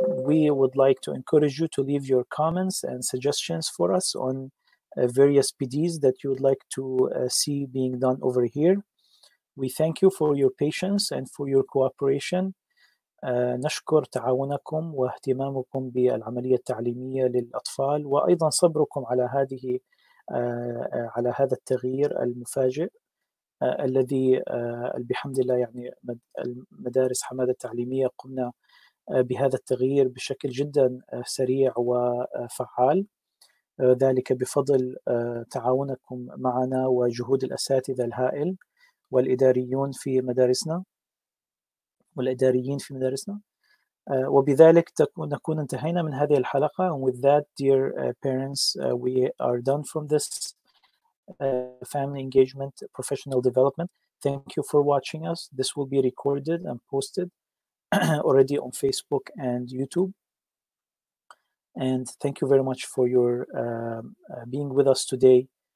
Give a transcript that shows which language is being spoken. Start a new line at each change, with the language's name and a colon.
English: We would like to encourage you to leave your comments and suggestions for us on various PDs that you would like to see being done over here. We thank you for your patience and for your cooperation.
Arabic: نشكر تعاونكم واهتمامكم بالعملية التعليمية للأطفال، وأيضا صبركم على هذه على هذا التغيير المفاجئ الذي بحمد الله يعني المدارس حمادة التعليمية قمنا بهذا التغيير بشكل جدا سريع وفعال، ذلك بفضل تعاونكم معنا وجهود الأساتذة الهائل والإداريون في مدارسنا والإداريين في مدارسنا. وبذلك نكون انتهينا من هذه الحلقة.
English: And with that, dear parents, we are done from this family engagement professional development. Thank you for watching us. This will be recorded and posted already on Facebook and YouTube. And thank you very much for your being with us today.